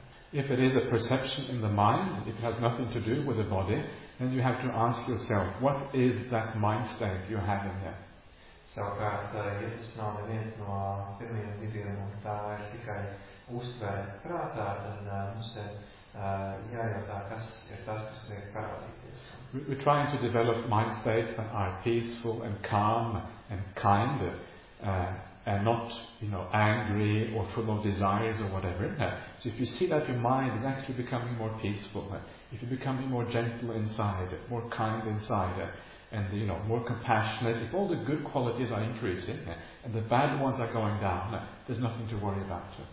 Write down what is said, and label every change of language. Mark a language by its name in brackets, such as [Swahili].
[English] If it is a perception in the mind, it has nothing to do with the body, then you have to ask yourself, what is that mind state you have in here? [Latvian] Savukārt, ja tas nav neviens no pirmajiem diviem, un tā ir tikai uztvere prātā, tad mums ir jājautā, kas ir tas, kas ir parādīties. [English] We're trying to develop mind states that are peaceful and calm and kind, and not, you know, angry or full of desires or whatever. So if you see that your mind is actually becoming more peaceful, if you're becoming more gentle inside, more kind inside, and, you know, more compassionate, if all the good qualities are increasing and the bad ones are going down, there's nothing to worry about.